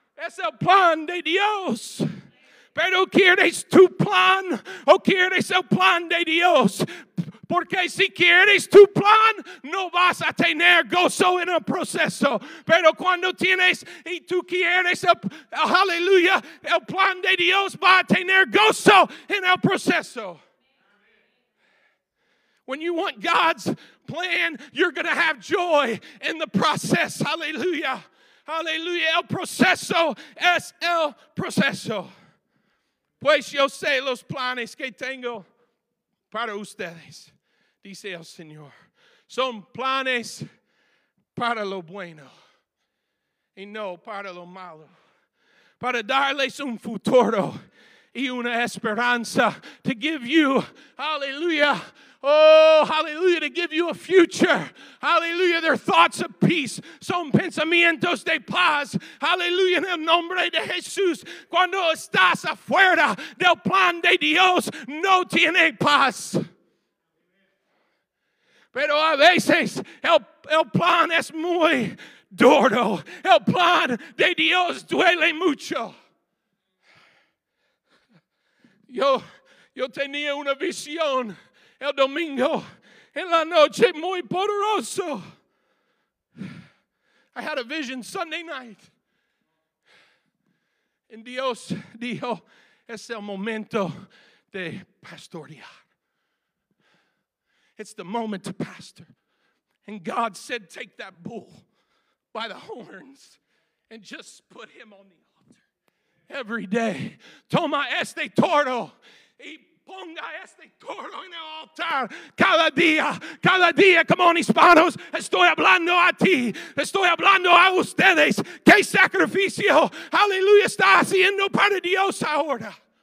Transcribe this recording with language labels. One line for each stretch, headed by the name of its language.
Spanish: Es el plan de Dios. Pero quieres tu plan o quieres el plan de Dios? Porque si quieres tu plan, no vas a tener gozo en el proceso. Pero cuando tienes y tú quieres el aleluya, el plan de Dios va a tener gozo en el proceso.
English: When you want God's plan, you're going to have joy in the process.
Spanish: Hallelujah. Hallelujah. El proceso es el proceso. Pues yo sé los planes que tengo para ustedes, dice el Señor. Son planes para lo bueno y no para lo malo. Para darles un futuro y una esperanza.
English: To give you, hallelujah, oh, hallelujah, to give you a future. Hallelujah, their thoughts of peace.
Spanish: Son pensamientos de paz. Hallelujah, en el nombre de Jesús. Cuando estás afuera del plan de Dios, no tiene paz. Pero a veces el plan es muy duro. El plan de Dios duele mucho. Yo tenía una visión el domingo en la noche muy poderoso.
English: I had a vision Sunday night.
Spanish: And Dios dijo, es el momento de pastorear.
English: It's the moment to pastor. And God said, take that bull by the horns and just put him on the altar. Every day,
Spanish: toma este toro y ponga este toro en el altar cada día, cada día.
English: Come on,
Spanish: hispanos, estoy hablando a ti, estoy hablando a ustedes. ¿Qué sacrificio, aleluya, está haciendo para Dios ahora?